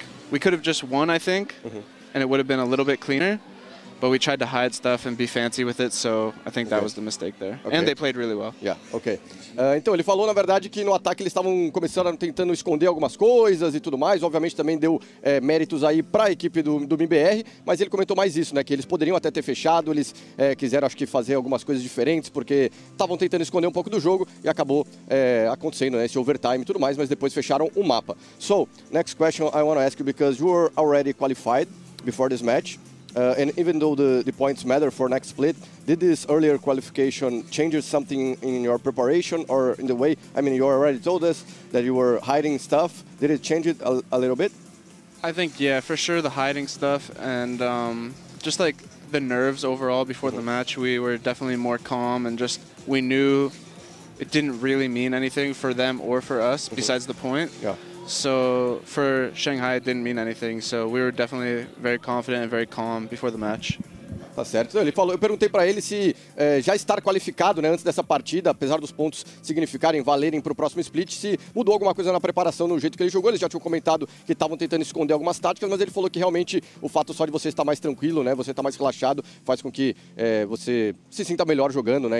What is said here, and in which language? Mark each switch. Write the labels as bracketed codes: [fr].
[en] We could have just won, I think, and it would have been a little bit cleaner, but we tried to hide stuff and be fancy with it, so I think that was the mistake there. Okay. And they played really well. Yeah, okay. [pt] Então, ele falou, na verdade, que no ataque eles estavam começando tentando esconder algumas coisas e tudo mais. Obviamente, também deu méritos aí para a equipe do MIBR, mas ele comentou mais isso, né? Que eles poderiam até ter fechado, eles quiseram, acho que, fazer algumas coisas diferentes, porque estavam tentando esconder um pouco do jogo e acabou acontecendo, né, esse overtime e tudo mais, mas depois fecharam o mapa. [en] So, next question I want to ask you, because you were already qualified before this match, and even though the points matter for next split, did this earlier qualification change something in your preparation or in the way? I mean, you already told us that you were hiding stuff. Did it change it a little bit? I think, yeah, for sure the hiding stuff and just like the nerves overall before the match, we were definitely more calm and just we knew it didn't really mean anything for them or for us besides the point. Yeah. So for Shanghai, it didn't mean anything. So we were definitely very confident and very calm before the match. [pt] Tá certo. Ele falou, eu perguntei para ele se já estar qualificado, né, antes dessa partida, apesar dos pontos significarem, valerem para o próximo split, se mudou alguma coisa na preparação, no jeito que ele jogou. Eles já tinham comentado que estavam tentando esconder algumas táticas, mas ele falou que realmente o fato só de você estar mais tranquilo, né, você estar mais relaxado, faz com que você se sinta melhor jogando, né?